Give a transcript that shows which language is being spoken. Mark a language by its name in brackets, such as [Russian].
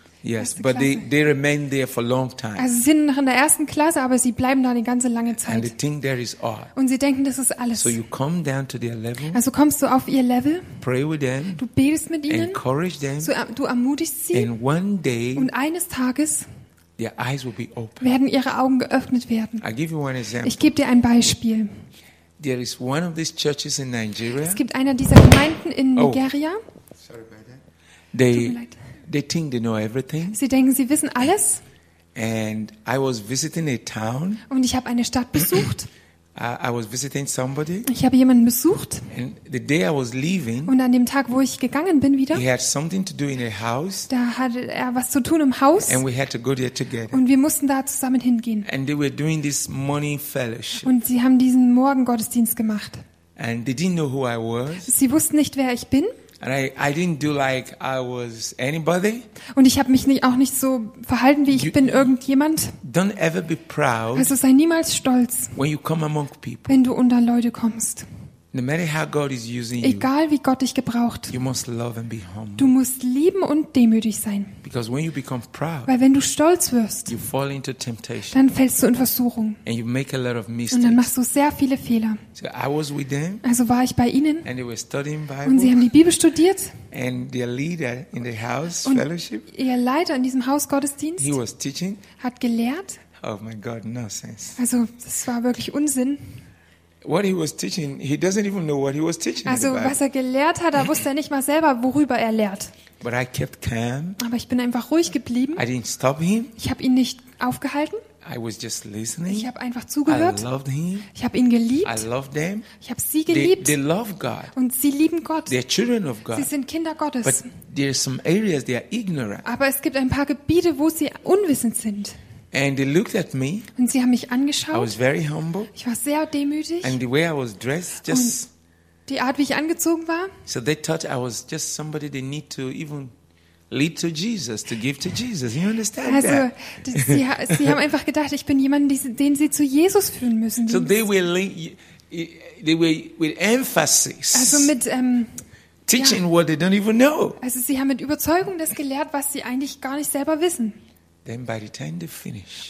[English] Yes, but they remain there for a long time. [German] Also sie sind noch in der ersten Klasse, aber sie bleiben da eine ganze lange Zeit. [English] And they think there is all. [German] Und sie denken, das ist alles. [English] So you come down to their level. [German] Also kommst du auf ihr Level. [English] Pray with them. [German] Du betest mit ihnen. [English] Encourage them. [German] So, du ermutigst sie. [English] And one day. [German] Und eines Tages. [English] Their eyes will be open. [German] Werden ihre Augen geöffnet werden. [English] I give you one example. [German] Ich gebe dir ein Beispiel. [English] There is one of these churches in Nigeria. [German] Es gibt eine dieser Gemeinden in Nigeria. [English] Oh. Sorry about that. They think they know everything. [German] Sie denken, sie wissen alles. [English] And I was visiting a town. [German] Und ich habe eine Stadt besucht. [English] I was visiting somebody. [German] Ich habe jemanden besucht. [English] And the day I was leaving. [German] Und an dem Tag, wo ich gegangen bin wieder. [English] He had something to do in a house. [German] Da hatte er was zu tun im Haus. [English] And we had to go there together. [German] Und wir mussten da zusammen hingehen. [English] And they were doing this morning fellowship. [German] Und sie haben diesen Morgengottesdienst gemacht. [English] And they didn't know who I was. [German] Sie wussten nicht, wer ich bin. [English] And I didn't do like I was anybody. [German] Und ich habe mich nicht, auch nicht so verhalten, wie ich bin irgendjemand. [English] Don't ever be proud. [German] Also sei niemals stolz. [English] When you come among people. [German] Wenn du unter Leute kommst. [English] No matter how God is using you. [German] Egal wie Gott dich gebraucht. [English] You must love and be humble. [German] Du musst lieben und demütig sein. [English] Because when you become proud. [German] Weil wenn du stolz wirst. [English] You fall into temptation. [German] Dann fällst du in Versuchung. [English] And you make a lot of mistakes. [German] Und dann machst du sehr viele Fehler. [English] So I was with them. [German] Also war ich bei ihnen. [English] And they were studying Bible. [German] Und sie haben die Bibel studiert. [English] And their leader in the house fellowship. [German] Und ihr Leiter in diesem Hausgottesdienst. [English] He was teaching. [German] Hat gelehrt. [English] Oh my God, nonsense. [German] Also das war wirklich Unsinn. [English] What he was teaching, he doesn't even know what he was teaching. [German] Also, was er gelehrt hat, da wusste er nicht mal selber, worüber er lehrt. [English] But I kept calm. [German] Aber ich bin einfach ruhig geblieben. [English] I didn't stop him. [German] Ich habe ihn nicht aufgehalten. [English] I was just listening. [German] Ich habe einfach zugehört. [English] I loved him. [German] Ich habe ihn geliebt. [English] I loved them. [German] Ich habe sie geliebt. [English] They love God. [German] Und sie lieben Gott. [English] They are children of God. [German] Sie sind Kinder Gottes. [English] But there are some areas they are ignorant. [German] Aber es gibt ein paar Gebiete, wo sie unwissend sind. [English] And they looked at me. [German] Und sie haben mich angeschaut. [English] I was very humble. [German] Ich war sehr demütig. [English] And the way I was dressed, just [German] die Art, wie ich angezogen war. [English] So they thought I was just somebody they need to even lead to Jesus, to give to Jesus. You understand [German] also, [English] that? [German] sie haben einfach gedacht, ich bin jemand, den sie zu Jesus führen müssen. [English] So they were with emphasis. [German] Also mit [English] teaching what they don't even know. [German] Also sie haben mit Überzeugung das gelehrt, was sie eigentlich gar nicht selber wissen. [English] Then by the time they finish,